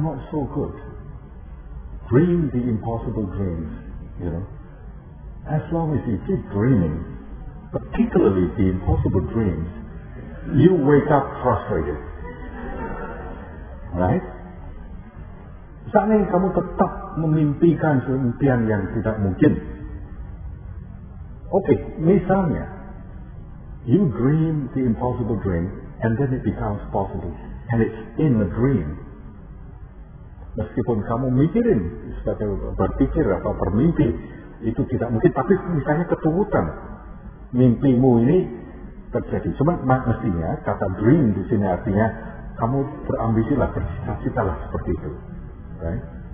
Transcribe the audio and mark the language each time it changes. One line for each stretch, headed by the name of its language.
English: So good. Dream the impossible dreams, you know. as long as you keep dreaming, particularly the impossible dreams, you wake up frustrated. Right?
Indonesian: Seandainya kamu tetap memimpikan impian yang tidak mungkin.
English: Okay,
Indonesian: misalnya,
English: you dream the impossible dream, and then it becomes possible, and it's in the dream.
Indonesian: Meskipun kamu mikirin, berpikir apa bermimpi, itu tidak mungkin, tapi misalnya keturutan mimpimu ini terjadi. Cuma mestinya, kata dream di sini artinya, kamu berambisilah, bercita-citalah seperti itu.
English: Right?